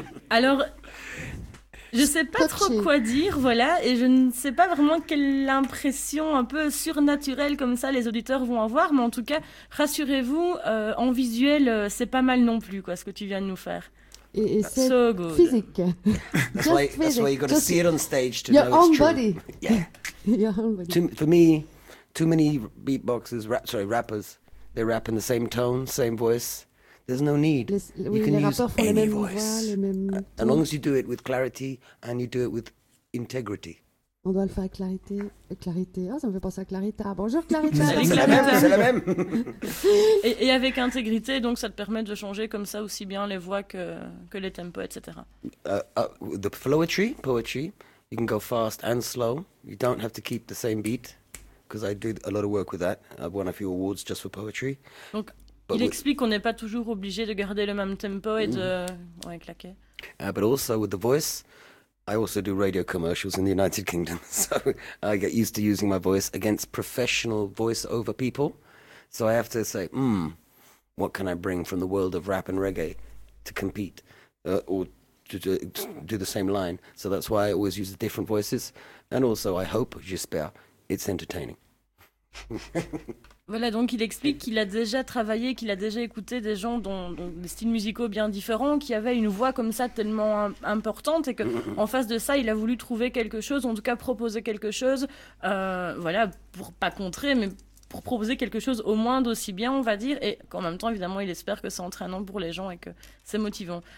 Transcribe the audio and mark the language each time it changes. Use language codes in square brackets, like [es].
[fr] Alors, je ne sais pas trop quoi dire, voilà, et je ne sais pas vraiment quelle impression un peu surnaturelle comme ça les auditeurs vont avoir, mais en tout cas, rassurez-vous, en visuel, c'est pas mal non plus, quoi, ce que tu viens de nous faire. Et c'est [en] so good. [fr] Physique. [en] That's why you got to see it on stage to your know it's body. True. Yeah. Your own body. For me, too many beatboxers, rappers, they rap in the same tone, same voice. There's no need. You can use any voice. As long as you do it with clarity and you do it with integrity. [fr] On doit le faire avec clarité. Clarité. Ah, oh, ça me fait penser à Clarita. Bonjour Clarita. C'est la même. Et avec intégrité, donc ça te permet de changer comme ça aussi bien les voix que les tempos, etc. [en] The poetry, you can go fast and slow. You don't have to keep the same beat because I did a lot of work with that. I've won a few awards just for poetry. [fr] Donc, but il explique qu'on n'est pas toujours obligé de garder le même tempo et de ouais, claquer. [en] But also with the voice, I also do radio commercials in the United Kingdom, so I get used to using my voice against professional voice over people. So I have to say, what can I bring from the world of rap and reggae to compete or to do the same line. So that's why I always use the different voices. And also, I hope, [fr] j'espère, [en] it's entertaining. [fr] Voilà, donc il explique qu'il a déjà travaillé, qu'il a déjà écouté des gens dont des styles musicaux bien différents, qui avaient une voix comme ça tellement importante, et qu'en face de ça, il a voulu trouver quelque chose, en tout cas proposer quelque chose, voilà, pour pas contrer, mais pour proposer quelque chose au moins d'aussi bien, on va dire, et qu'en même temps, évidemment, il espère que c'est entraînant pour les gens et que c'est motivant.